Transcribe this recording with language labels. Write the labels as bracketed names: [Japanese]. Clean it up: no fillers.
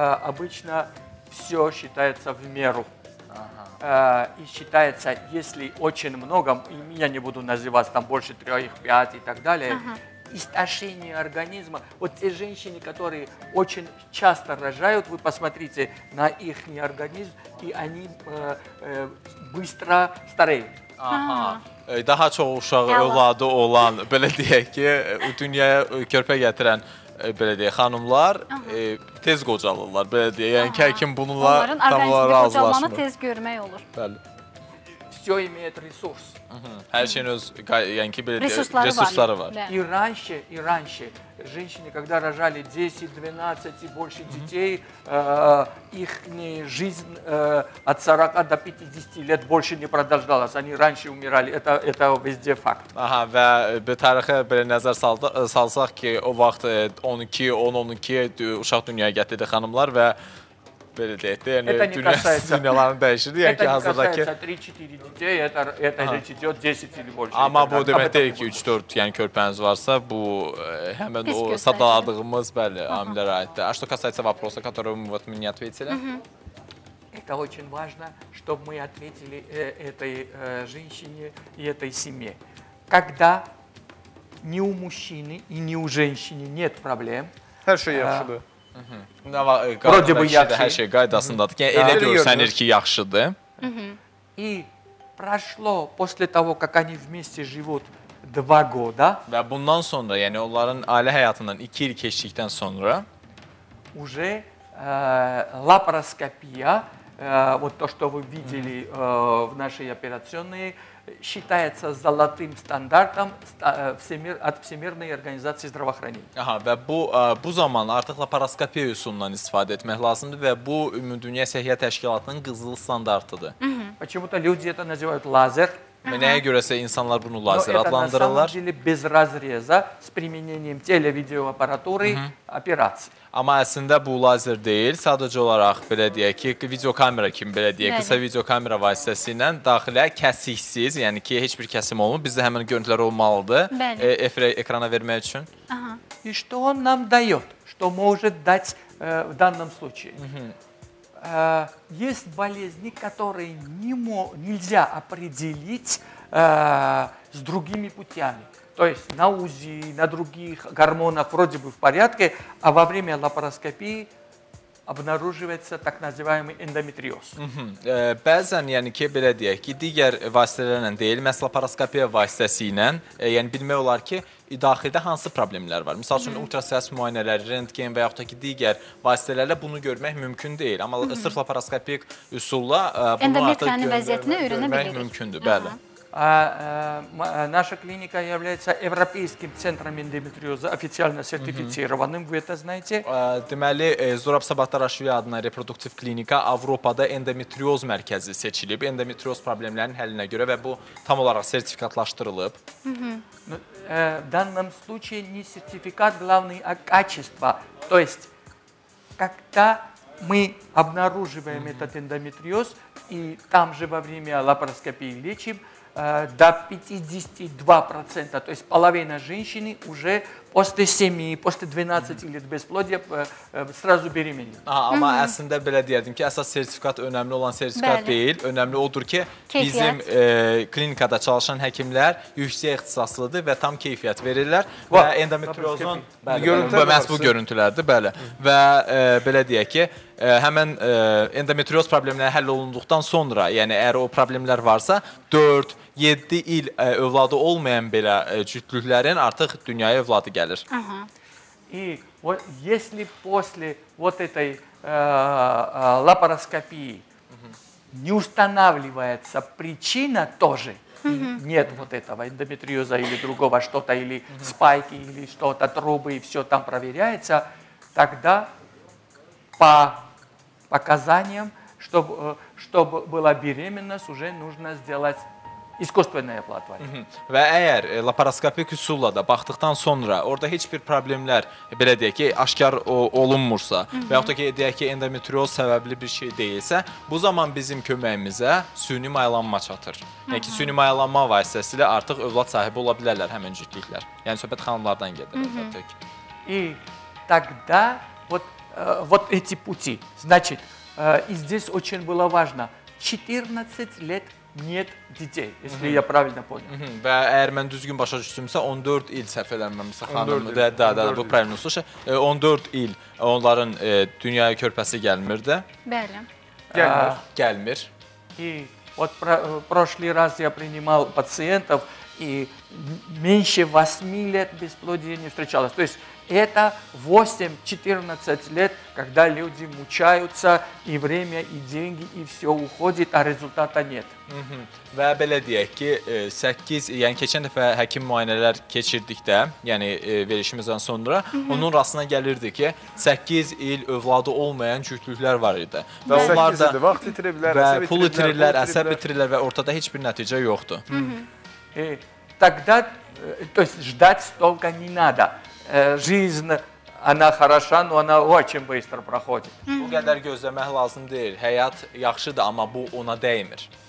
[Russian] Обычно все считается в меру. И считается, если очень много, я не буду называть там больше 3-5 и так далее. Истощение организма. Вот те женщины, которые очень часто рожают, вы посмотрите на их организм, и они быстро стареют. [Azerbaijani] Daha çox uşaq övladı olan, belə deyək ki, dünyaya körpə gətirən belə deyək, xanımlar tez qocalırlar, belə deyək. Yəni ki, həkim bununla tam olaraq razılaşmır. Onların organizmdə qocalmanı tez görmək olur. Bəli. [Russian] Всё имеет ресурс. [Azerbaijani] Hər şeyin öz, yəni ki, belə deyək, resursları var. [Russian] İranşı, женщины, когда рожали 10-12 и больше детей, их жизнь от 40 до 50 лет больше не продолжалась. Они раньше умирали. Это везде факт. [Azerbaijani] Ага, və bir tarixə belə nəzər salsaq ki, o vaxt 12-10-12 uşaq dünyaya gətirdi xanımlar və belə deyək də, yəni dünyaların dəyişirdi, yəni ki, hazırdakı... [Russian] Это не касается 3-4 детей, это речь идет 10 или больше. [Azerbaijani] Amma bu demək deyək ki, 3-4 körpəniz varsa, bu həmən o sadaladığımız, bəli, amillərə aiddir. [Russian] А что касается вопроса, который мы вот мне не ответили? Это очень важно, чтобы мы ответили этой женщине и этой семье. Когда ни у мужчины и ни у женщины нет проблем... [Azerbaijani] Hər şey yaxşıdır. [Russian] Вроде бы [Azerbaijani] hər şey qaydasındadır. Yəni elə görsənir ki, yaxşıdır. [Russian] И прошло после того, как они вместе живут 2 года. [Azerbaijani] Və bundan sonra, yəni onların ailə həyatından 2 il keçdikdən sonra [Russian] уже лапароскопия, вот то, что вы видели в нашей операционной, считается золотым стандартом от Всемирной организации здравоохранения. [Azerbaijani] Ага, və bu zaman artıq laparoskopiya üsulundan istifadə etmək lazımdır və bu Ümumdünya Səhiyyə Təşkilatının qızıl standartıdır. [Russian] Почему-то люди это называют лазер. [Azerbaijani] Нәйə görəsə insanlar bunu lazer adlandırırlar. [Russian] Но это на самом деле без разреза с применением телевидеоаппаратуры операции. [Azerbaijani] Amma əslində bu lazer deyil, sadəcə olaraq, belə deyək ki, video kamera kimi, belə deyək, qısa video kamera vasitəsilə daxilə kəsiksiz, yəni ki, heç bir kəsim olmur, bizdə həmin görüntülər olmalıdır ekrana vermək üçün. [Russian] И что он нам дает, что может дать в данном случае? Есть болезни, которые нельзя определить с другими путями. То есть на УЗИ, на других гормонах вроде бы в порядке, а во время лапароскопии обнаруживается так называемый эндометриоз. [Azerbaijani] Bəzən, yəni ki, belə deyək ki, digər vasitələrlə deyil, məhz laparoskopiya vasitəsi ilə, yəni bilmək olar ki, daxildə hansı problemlər var? Məsəl üçün, ultrasəs müayinələri, rentgen və yaxud da ki, digər vasitələrlə bunu görmək mümkün deyil. Amma sırf laparoskopik üsulla bunu artıq görmək mümkündür, bəli. [Russian] Наша клиника является Европейским центром эндометриоза, официально сертифицированным, вы это знаете. [Azerbaijani] Deməli, Zurab Sabahtaraşvili adına reproduktiv klinika Avropada endometrioz mərkəzi seçilib, endometrioz problemlərinin həllinə görə və bu tam olaraq sertifikatlaşdırılıb. [Russian] В данном случае не сертификат главный, а качество. То есть, когда мы обнаруживаем этот эндометриоз и там же во время лапароскопии лечим, до 52%, то есть половина женщины уже после 7, после 12 лет бесплодия сразу беременна. [Azerbaijani] Ama əslində belə deyərdim ki, əsas sertifikat önəmli olan sertifikat deyil. Önəmli odur ki, bizim klinikada çalışan həkimlər yüksək ixtisaslıdır və tam keyfiyyət verirlər. Və endometriozun məhz bu görüntülərdir, bəli. Və belə deyək ki, həmən endometrioz problemləri həll olunduqdan sonra, yəni əgər o problemlər varsa, 4-7 il övladı olmayan belə cütlüklərin artıq dünyaya övladı gəlir. [Russian] И если после вот этой лапароскопии не устанавливается причина тоже, нет вот этого эндометриоза или другого что-то, или спайки, или что-то, трубы, и все там проверяется, тогда по показанием, чтобы, чтобы была беременность, уже нужно сделать искусственное оплодотворение. [Azerbaijani] Ve eğer laparoskopik üsulla da baktıktan sonra orada hiçbir problemler belə deyək ki aşkar olunmursa və yaxud ki deyək ki endometrioz səbəbli bir şey deyilsə, bu zaman bizim köməyimizə süni mayalanma çatır. Yəni ki süni mayalanma vasitəsilə artıq övlad sahibi ola bilərlər həmin cütlüklər. Yəni söhbət xanımlardan gedir əlbəttə ki. [Russian] И тогда вот эти пути. Значит, и здесь очень было важно 14 лет нет детей, если я правильно понял. [Azerbaijani] Ve eğer ben düzgün başa düşdümsə 14 il səhv eləməmişsə xanım. [Russian] Да, да, [Azerbaijani] bu [Russian] правильно слушай. [Azerbaijani] 14 il onların dünyaya körpəsi gəlmirdi. Bəli. Gəlmir. [Russian] И вот прошлый раз я принимал пациентов и меньше 8 лет бесплодие не встречалось. То есть это 8-14 лет, когда люди мучаются, и время, и деньги, и все уходит, а результата нет. [Azerbaijani] Və belə deyək ki, 8, yəni keçən dəfə həkim müayinələr keçirdikdə, yəni verişimizdən sonra, onun rastına gəlirdi ki, 8 il övladı olmayan cütlüklər var idi. Və onlar da vaxt itirə bilər, pul itirirlər, əsəb itirirlər və ortada heç bir nəticə yoxdur. [Russian] Тогда, то есть ждать столько не надо. Жизнь, она хороша, но она очень быстро проходит. [Azerbaijani] Bu qədər gözləmək lazım deyil. Həyat yaxşıdır, amma bu ona dəymir.